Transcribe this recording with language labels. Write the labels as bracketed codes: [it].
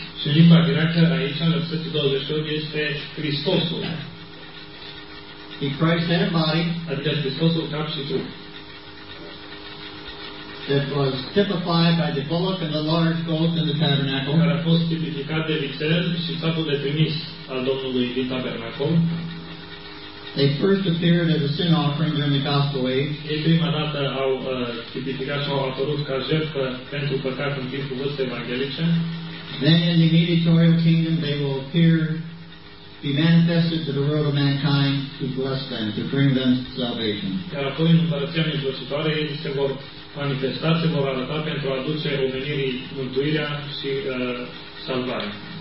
[ro] Și limba greacă aici, în versetul 28, este Hristosul. [en] The Christ and body. [ro] Adică Hristosul cap și trup. [en] that was typified by the bullock and the large goat in the tabernacle. [ro] Care a fost tipificat de vițel și sacul de primis al Domnului din tabernacol. [en] They first appeared as a sin offering during the gospel age. [ro] Ei prima dată au tipificat sau au apărut ca jertfă pentru păcat în timpul vârstei evanghelice. [en] Then in the mediatorial kingdom they will appear, be manifested to the world of mankind to bless them, to bring them salvation. [ro] Iar apoi în împărăția mijlocitoare ei se vor manifesta, se vor arăta pentru a aduce omenirii mântuirea și salvarea.